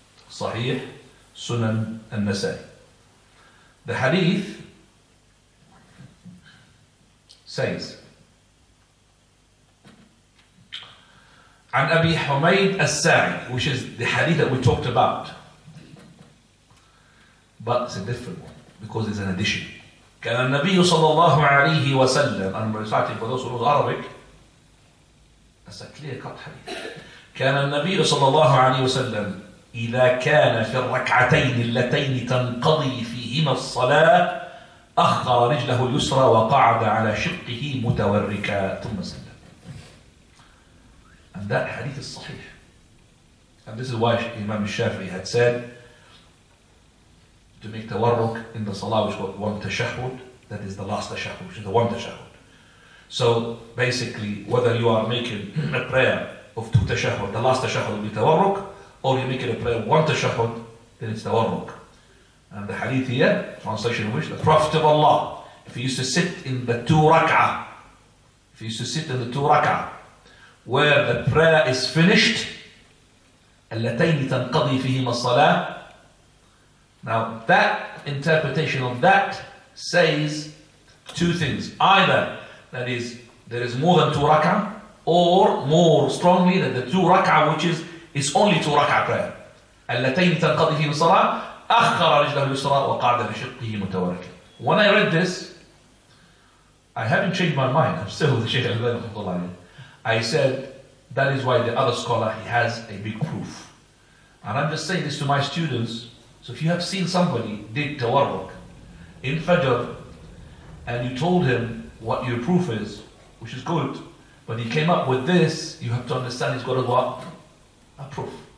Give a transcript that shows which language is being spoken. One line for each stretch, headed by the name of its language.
English: Sahih Sunan al-Nasa'i. The hadith says,
Arabic: عن أبي حميد الساعي,
English: which is the hadith that we talked about. But it's a different one, because it's an addition.
Arabic: كان النبي صلى الله عليه وسلم,
English: and I'm reciting for those who know Arabic, that's a clear cut hadith.
Arabic: كان النبي صلى الله عليه وسلم إذا كان في الركعتين اللتين تنقضي فيهما الصلاة أخر رجله اليسرى وقعد على شقه متوركا ثم سلم.
English: And that hadith is sahih. And this is why Imam Shafi'i had said to make tawarruk in the salah, which was one tashahud, that is the last tashahud, which is the one tashahud. So basically, whether you are making a prayer of two tashahud, the last tashahud will be tawarruk, or you're making a prayer of one tashahud, then it's tawarruk. And the hadith here, translation of which, the Prophet of Allah, if he used to sit in the two rak'ah, if he used to sit in the two rak'ah, where the prayer is finished,
Arabic: اللتين تنقضي فيهما الصلاة.
English: Now that interpretation of that says two things. Either that is there is more than two rak'ah, or more strongly that the two rak'ah, which is only two rak'ah prayer.
Arabic: اللتين تنقضي فيهما الصلاة أخر رجله اليسرى وقعد بشقه متوركا.
English: When I read this, I haven't changed my mind. I'm still the Sheikh Al-Albani
Arabic: رحمه الله عليه.
English: I said, that is why the other scholar, he has a big proof. And I'm just saying this to my students. So if you have seen somebody did tawarruk in Fajr, and you told him what your proof is, which is good, but he came up with this, you have to understand he's got a proof.